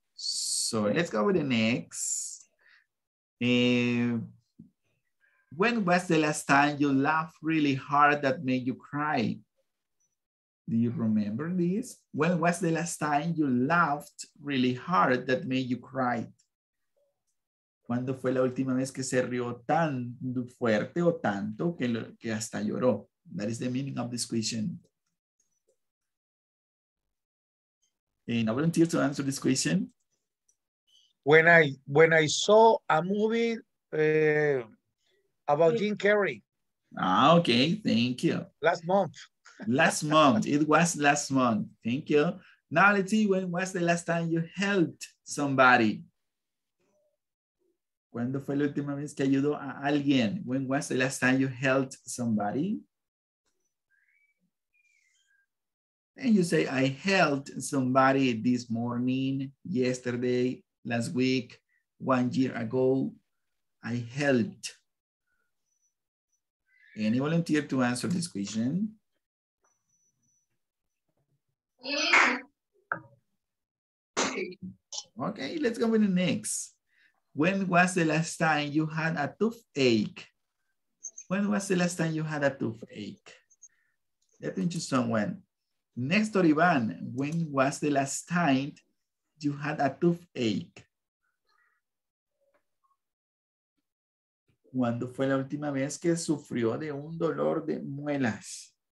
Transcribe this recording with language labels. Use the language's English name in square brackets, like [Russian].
[English] So let's go with the next. When was the last time you laughed really hard that made you cry? Do you remember this? When was the last time you laughed really hard that made you cry? [Spanish] ¿Cuándo fue la última vez que se rió tan fuerte o tanto que hasta lloró? [English] That is the meaning of this question. And I volunteer to answer this question. When I saw a movie about Jim Carrey. Ah, okay, thank you. Last month. Last month, it was last month. Thank you. Now let's see, when was the last time you helped somebody? [Spanish] ¿Cuándo fue la última vez que ayudó a alguien? [English] When was the last time you helped somebody? And you say, I helped somebody this morning, yesterday, last week, 1 year ago. I helped. Any volunteer to answer this question? Yeah. Okay, let's go with the next. When was the last time you had a toothache? When was the last time you had a toothache? Let me choose someone. Next, Ivan, when was the last time you had a toothache? [Spanish] ¿Cuándo fue la última vez que sufrió de un dolor de muelas?